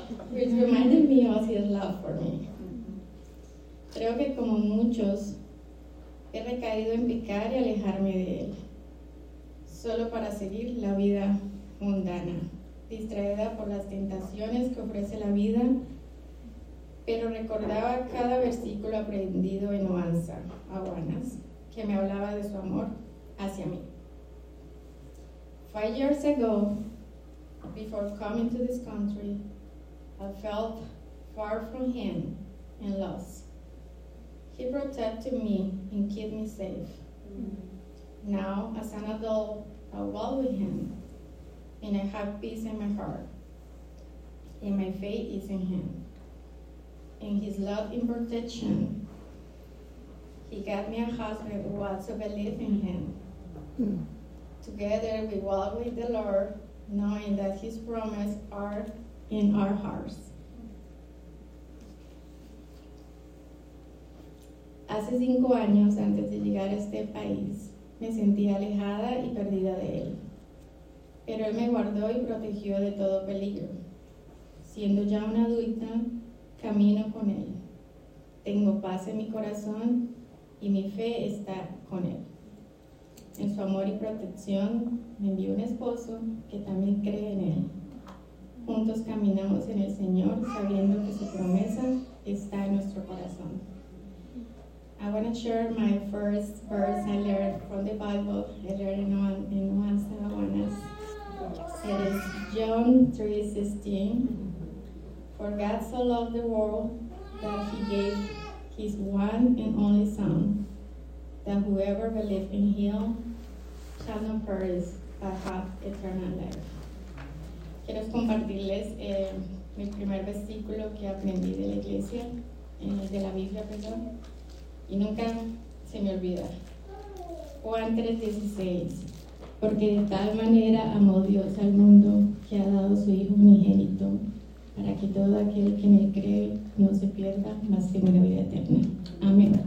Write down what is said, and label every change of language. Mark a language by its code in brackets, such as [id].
[en] Which reminded me of His love for me. [es] Creo que como muchos, he recaído en pecar y alejarme de Él, solo para seguir la vida mundana, distraída por las tentaciones que ofrece la vida, pero recordaba cada versículo aprendido en Oanza, Aguanas, que me hablaba de su amor hacia mí. [en] 5 years ago, before coming to this country, I felt far from Him and lost. He protected me and kept me safe. Mm-hmm. Now, as an adult, I walk with Him, and I have peace in my heart, and my faith is in Him. In His love and protection, He got me a husband who also believed in Him. Mm-hmm. Together, we walk with the Lord, knowing that His promises are in our hearts. [es] Hace 5 años antes de llegar a este país, me sentía alejada y perdida de Él. Pero Él me guardó y protegió de todo peligro. Siendo ya una adulta, camino con Él. Tengo paz en mi corazón y mi fe está con Él. En su amor y protección, me envió un esposo que también cree en Él. Juntos caminamos en el Señor, sabiendo que su promesa está en nuestro corazón. [en] I want to share my first verse I learned from the Bible. I learned in one Sabanas. It is John 3:16. For God so loved the world that He gave His one and only Son, that whoever believes in Him shall not perish, but have eternal life. [es] Quiero compartirles mi primer versículo que aprendí de la iglesia, de la Biblia, perdón. Y nunca se me olvida. Juan 3:16. Porque de tal manera amó Dios al mundo que ha dado su Hijo unigénito para que todo aquel que en Él cree no se pierda, mas tenga vida eterna. Amén.